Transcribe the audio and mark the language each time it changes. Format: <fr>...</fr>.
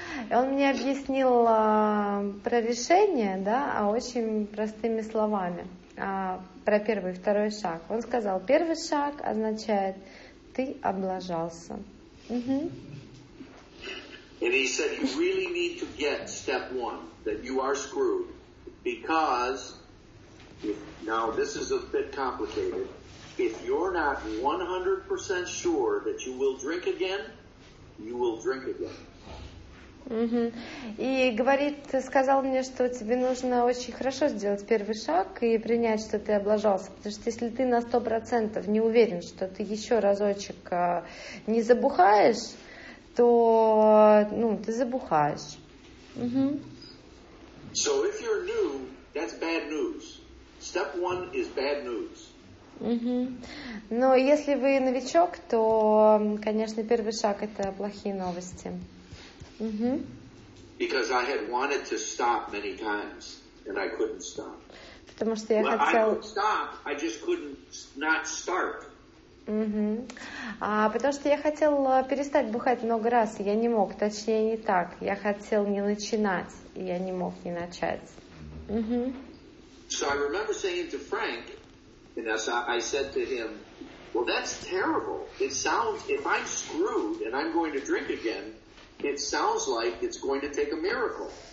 <ru>Он мне объяснил про решение, да, а очень простыми словами, про первый и второй шаг. Он сказал, первый шаг означает ты облажался. Угу.</ru> <en>And he said you really need to get step one, that you are screwed, because if, now this is a bit complicated. If you're not 100% sure that you will drink again, you will drink again. Угу.</en> <ru>И говорит, сказал мне, что тебе нужно очень хорошо сделать первый шаг и принять, что ты облажался. Потому что если ты на 100% не уверен, что ты еще разочек не забухаешь, то ну, ты забухаешь. Угу.</ru> <en>So if you're new, that's bad news. Step one is bad news. Угу.</en> <ru>Но если вы новичок, то, конечно, первый шаг – это плохие новости.</ru> <en>Because I had wanted to stop many times, and I couldn't stop.</en> <ru>Потому что я хотел.</ru> <en>I could stop. I just couldn't not start.</en> <ru>Потому что я хотел перестать бухать много раз, и я не мог. Точнее, не так. Я хотел не начинать, и я не мог не начать.</ru> <en>So I remember saying to Frank, and I said to him, "Well, that's terrible. It sounds if I'm screwed and I'm going to drink again." It sounds like it's going to take a miracle.</en>